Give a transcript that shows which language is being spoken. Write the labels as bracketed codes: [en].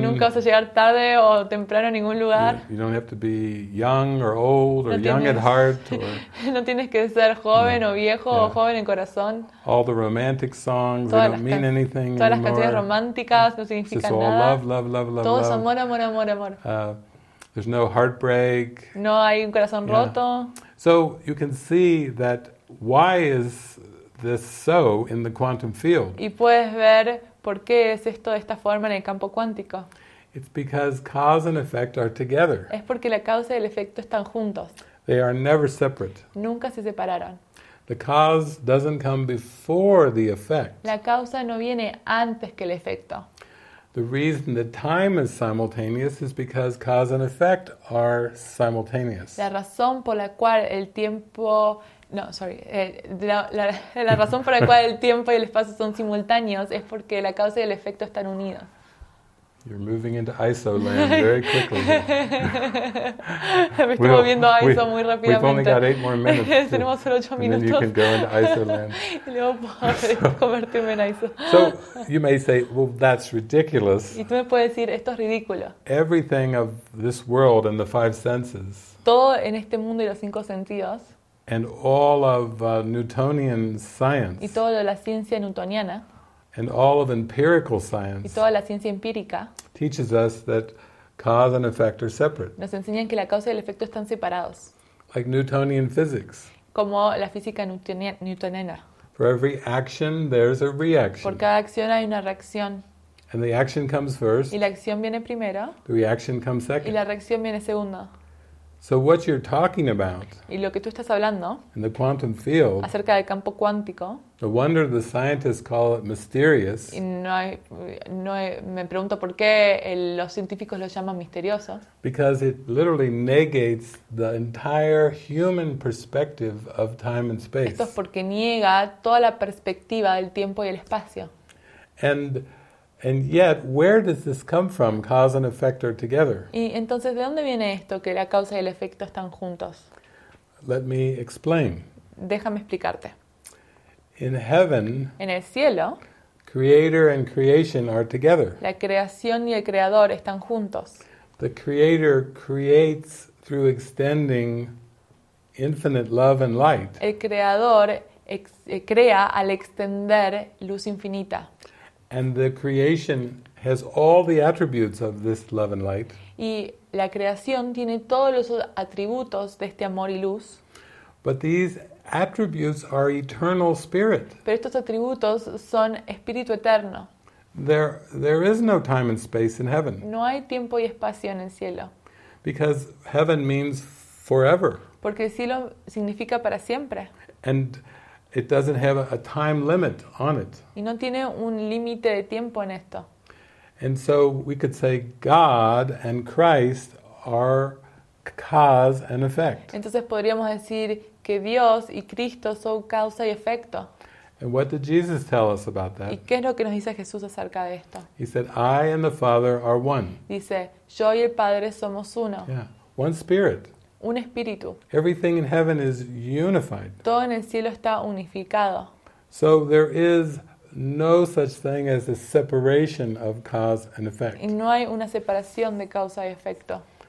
[es] Nunca vas a llegar tarde o temprano a ningún lugar. [en] You don't have to be young or old or young at heart. [es] No tienes que ser joven o viejo o joven en corazón. [en] All the romantic songs, they don't mean anything anymore. [es] Todas las canciones románticas no significan nada. [en] It's all love, love, love, love, love. [es] Todo es amor, amor, amor, amor. [en] There's no heartbreak. [es] No hay un corazón roto. [en] So you can see that why is this so in the quantum field. [es] Y puedes ver por qué es esto de esta forma en el campo cuántico. [en] It's because cause and effect are together. [es] Es porque la causa y el efecto están juntos. [en] They are never separate. [es] Nunca se separaron. [en] The cause doesn't come before the effect. [es] La causa no viene antes que el efecto. [en] The reason that time is simultaneous is because cause and effect are simultaneous. [es] La razón por la cual el tiempo la razón por la cual el tiempo y el espacio son simultáneos es porque la causa y el efecto están unidos. [en] You're moving into ISO land very quickly. [es] Me estoy moviendo a ISO muy rápidamente. [en] We've only got 8 more minutes. [es] Tenemos solo 8 minutos. [en] And then you can go into ISO land. [es] Y luego puedo convertirme en ISO. [en] So you may say, well, that's ridiculous. [es] Y tú me puedes decir, esto es ridículo. [en] Everything of this world and the 5 senses. [es] Todo en este mundo y los 5 sentidos. [en] And all of Newtonian science. [es] Y todo lo de la ciencia newtoniana. [en] And all of empirical science. [es] Y toda la ciencia empírica. [en] Teaches us that cause and effect are separate. [es] Nos enseñan que la causa y el efecto están separados. [en] Like Newtonian physics. [es] Como la física newtoniana. [en] For every action, there's a reaction. [es] Por cada acción hay una reacción. [en] And the action comes first. [es] Y la acción viene primero. [en] The reaction comes second. [es] Y la reacción viene segundo. [en] So what you're talking about? [es] Y lo que tú estás hablando. [en] In the quantum field. [es] Acerca del campo cuántico. [en] No wonder the scientists call it mysterious. [es] Y me pregunto por qué los científicos lo llaman misterioso. [en] Because it literally negates the entire human perspective of time and space. [es] Esto es porque niega toda la perspectiva del tiempo y el espacio. [en] And yet, where does this come from? Cause and effect are together. [es] Y entonces, ¿de dónde viene esto que la causa y el efecto están juntos? [en] Let me explain. [es] Déjame explicarte. [en] In heaven, [es] en el cielo, [en] creator and creation are together. [es] La creación y el creador están juntos. [en] The creator creates through extending infinite love and light. [es] El creador crea al extender luz infinita. [en] And the creation has all the attributes of this love and light. [es] Y la creación tiene todos los atributos de este amor y luz. [en] But these attributes are eternal spirit. [es] Pero estos atributos son espíritu eterno. [en] There is no time and space in heaven. [es] No hay tiempo y espacio en el cielo. [en] Because heaven means forever. [es] Porque el cielo significa para siempre. [en] And it doesn't have a time limit on it. [es] Y no tiene un límite de tiempo en esto. [en] And so we could say God and Christ are cause and effect. [es] Entonces podríamos decir que Dios y Cristo son causa y efecto. [en] And what did Jesus tell us about that? [es] ¿Y qué es lo que nos dice Jesús acerca de esto? [en] He said, I and the Father are one. [es] Dice, yo y el Padre somos uno. [en] Yeah, one spirit. [es] un espíritu. [en] Everything in heaven is unified. [es] Todo en el cielo está unificado. [en] So there is no such thing as a separation of cause and effect. [es] Y no hay una separación de causa y efecto.